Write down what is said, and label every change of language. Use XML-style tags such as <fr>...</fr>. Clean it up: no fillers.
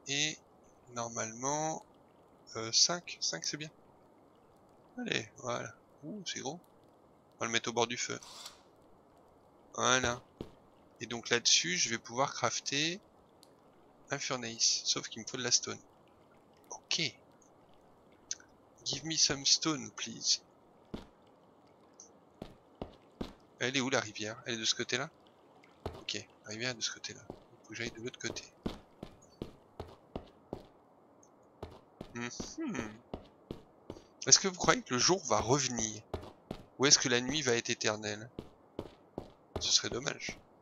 <fr>Et normalement... 5. 5, c'est bien. Allez, voilà. Ouh, c'est gros. On va le mettre au bord du feu. Voilà. Et donc là-dessus, je vais pouvoir crafter un furnace. Sauf qu'il me faut de la stone. Ok.</fr> <en>Give me some stone, please.</en> <fr>Elle est où la rivière? Elle est de ce côté-là? Ok, la rivière est de ce côté-là. Il faut que j'aille de l'autre côté. Mm-hmm. Est-ce que vous croyez que le jour va revenir? Ou est-ce que la nuit va être éternelle? Ce serait dommage.</fr>